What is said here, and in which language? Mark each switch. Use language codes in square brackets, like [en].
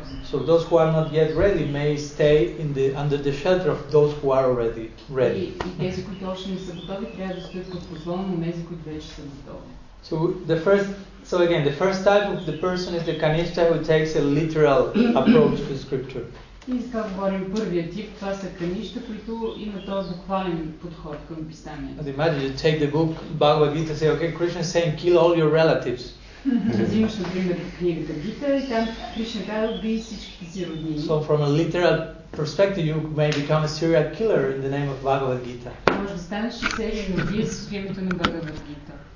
[en] So those who are not yet ready may stay in the under the shelter of those who are already ready. [bg] И тези, които още не са готови, трябва да стоят под позволено на тези, които вече са готови. [en] So the first, so again, the first type of the person is the Kanishtha who takes a literal approach to scripture. [bg] И сега говорим първия тип, това са Каништа, които имат този буквален подход към писанието. [en] But imagine you take the book Bhagavad Gita and say, okay, Krishna is saying kill all your relatives. [bg] Взимаш, например, книгата Гита и там Кришна казва убий всичките си роднини. [en] So from a literal perspective, you may become a serial killer in the name of Bhagavad Gita. [bg] Може да станеш серия убиец в името на Бхагавад Гита.